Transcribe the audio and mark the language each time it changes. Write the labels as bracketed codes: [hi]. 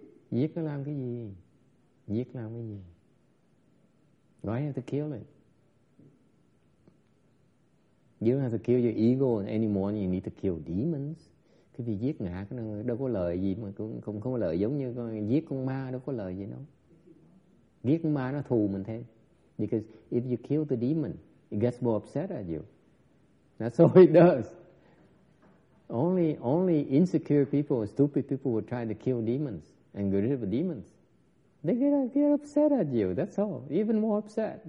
[vi] Giết nó làm cái gì? Giết làm cái gì? [en] Do I have to kill it? You don't have to kill your ego anymore. You need to kill demons. [vi] Cái việc giết ngã nó đâu có lợi gì mà cũng không có lợi, giống như con giết con ma đâu có lợi gì đâu. Giết con ma nó thù mình thêm. [en] Because if you kill the demon, it gets more upset at you. That's all it does. Only insecure people, stupid people will try to kill demons and get rid of demons. They get upset at you, that's all. Even more upset.